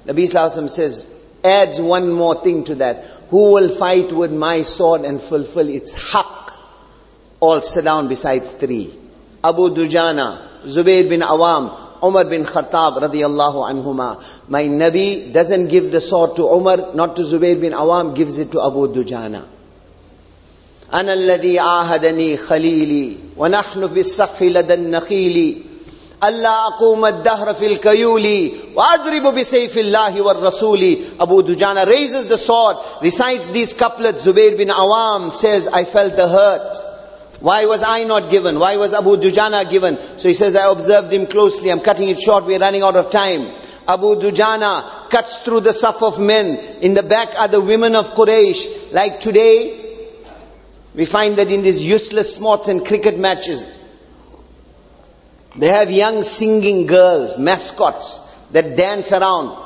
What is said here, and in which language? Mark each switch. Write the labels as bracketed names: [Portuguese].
[English] Nabi sallallahu alaihi wasallam says, adds one more thing to that. Who will fight with my sword and fulfill its haqq? All sit down besides three. Abu Dujana, Zubair bin Awam, Umar bin Khattab radiallahu anhuma. My Nabi doesn't give the sword to Umar, not to Zubair bin Awam, gives it to Abu Dujana. [Arabic] أنا الذي آهدني خليلي ونحن في الصف لدى النخيل أَلَّا أَقُومَ الدَّهْرَ فِي الْكَيُولِ وَأَذْرِبُ بِسَيْفِ اللَّهِ وَالرَّسُولِ. [English] Abu Dujana raises the sword, recites these couplets. Zubair bin Awam says, I felt the hurt. Why was I not given? Why was Abu Dujana given? So he says, I observed him closely. I'm cutting it short, we're running out of time. Abu Dujana cuts through the saf of men. In the back are the women of Quraysh. Like today, we find that in these useless sports and cricket matches, they have young singing girls, mascots, that dance around.